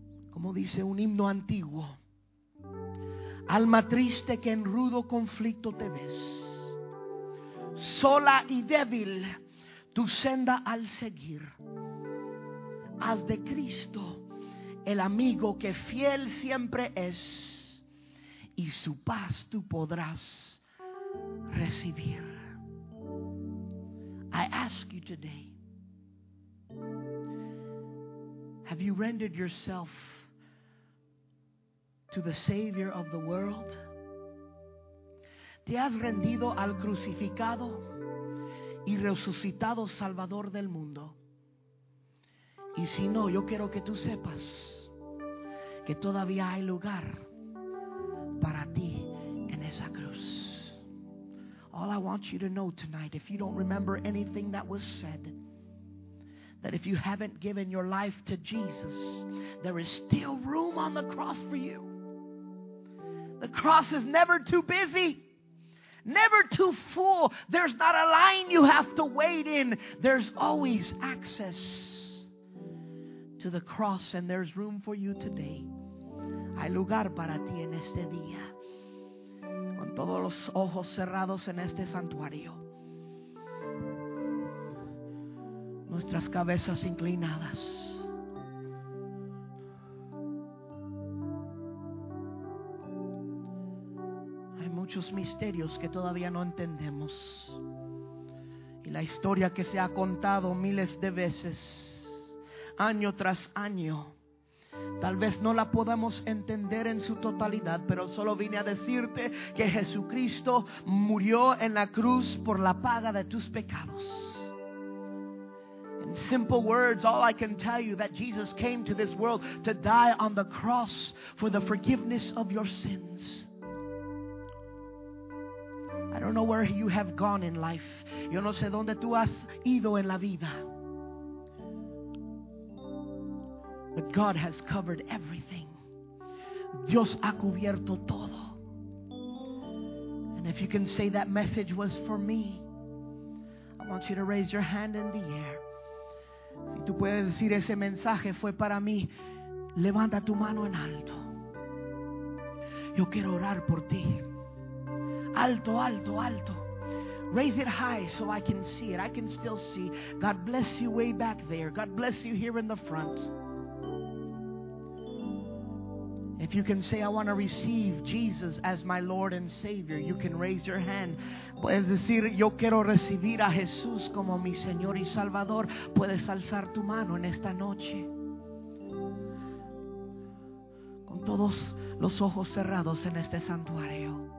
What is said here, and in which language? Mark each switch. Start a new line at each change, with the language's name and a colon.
Spanish: Como dice un himno antiguo: alma triste que en rudo conflicto te ves, sola y débil tu senda al seguir, haz de Cristo el amigo que fiel siempre es, y su paz tú podrás recibir.
English: I ask you today, have you rendered yourself to the Savior of the world?
Spanish: ¿Te has rendido al crucificado y resucitado Salvador del mundo? Y si no, yo quiero que tú sepas que todavía hay lugar para ti en esa cruz.
English: All I want you to know tonight, if you don't remember anything that was said, that if you haven't given your life to Jesus, there is still room on the cross for you. The cross is never too busy, never too full. There's not a line you have to wait in. There's always access to the cross, and there's room for you today.
Spanish: Hay lugar para ti en este día. Con todos los ojos cerrados en este santuario, nuestras cabezas inclinadas. Hay muchos misterios que todavía no entendemos, y la historia que se ha contado miles de veces año tras año. Tal vez no la podamos entender en su totalidad, pero solo vine a decirte que Jesucristo murió en la cruz por la paga de tus pecados.
English: In simple words, all I can tell you that Jesus came to this world to die on the cross for the forgiveness of your sins. I don't know where you have gone in life.
Spanish: Yo no sé dónde tú has ido en la vida.
English: But God has covered everything.
Spanish: Dios ha cubierto todo.
English: And if you can say that message was for me, I want you to raise your hand in the air.
Spanish: Si tú puedes decir ese mensaje fue para mí, levanta tu mano en alto. Yo quiero orar por ti. Alto, alto, alto.
English: Raise it high so I can see it. I can still see. God bless you way back there. God bless you here in the front. If you can say, I want to receive Jesus as my Lord and Savior, you can raise your hand.
Spanish: Puedes decir, yo quiero recibir a Jesús como mi Señor y Salvador. Puedes alzar tu mano en esta noche. Con todos los ojos cerrados en este santuario.